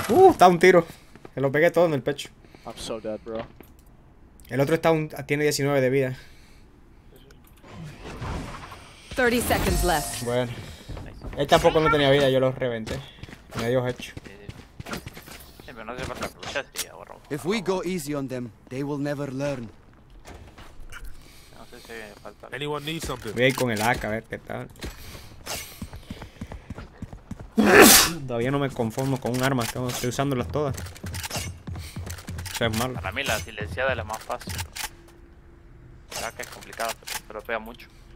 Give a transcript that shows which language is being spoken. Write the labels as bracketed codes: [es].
[es] Está un tiro. Se lo pegué todo en el pecho. [en] I'm so dead, bro. [es] El otro está tiene 19 de vida. [en] 30 seconds left. [es] Bueno. Él tampoco no tenía vida, yo lo reventé. Me dio hecho. [en] If we go easy on them, they will never learn. Anyone need something? [es] Voy a ir con el AK a ver qué tal. Todavía no me conformo con un arma, estoy usándolas todas. Eso es malo. Para mí la silenciada es la más fácil. La AK es complicada, pero pega mucho.